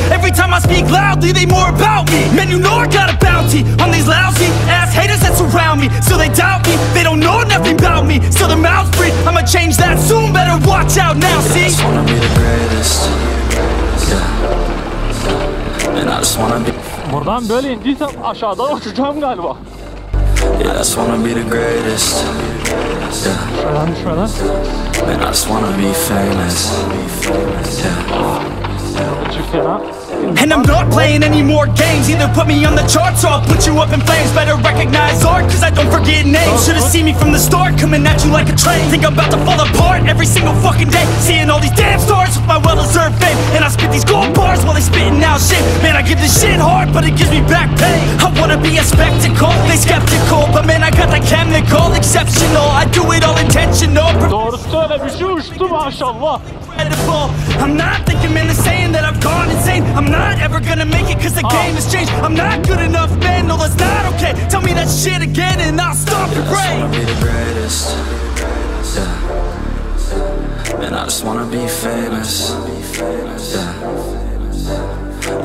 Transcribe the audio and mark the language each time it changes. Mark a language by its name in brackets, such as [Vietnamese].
[English] Every time I speak loudly, they more about me. Man, you know I got a bounty on these lousy ass haters that surround me, so they doubt me. They don't know nothing about me, so their mouths free. I'ma change that soon, better watch out now, see? I just wanna be the greatest. Yeah. And I just wanna be. [Turkish] Buradan böyle indiysem aşağıda uçacağım galiba. [English] Yeah, I just wanna be the greatest. Yeah. [Turkish] Şuradan şuradan. [English] And I just wanna be famous. Yeah. [Turkish] Çık ya. [English] And I'm not playing any more games. Either put me on the charts or I'll put you up in flames. Better recognize art, cause I don't forget names. Should've seen me from the start, coming at you like a train. Think I'm about to fall apart every single fucking day. Seeing all these damn stars with my well-deserved fame. And I spit these gold bars while they spitting out shit. Man, I give this shit hard, but it gives me back pain. I wanna be a spectacle, they skeptical. But man, I got that chemical, exceptional. I do it all intentional. [Turkish] Doğru söylemiş, uçtu maşallah. [English] I'm not thinking, man, they're saying that I've gone insane. I'm not ever gonna make it cause the game has changed. I'm not good enough, man, no that's not okay. Tell me that shit again and I'll stop your brain. I just wanna be the greatest. Yeah. Man, I just wanna be famous. Yeah.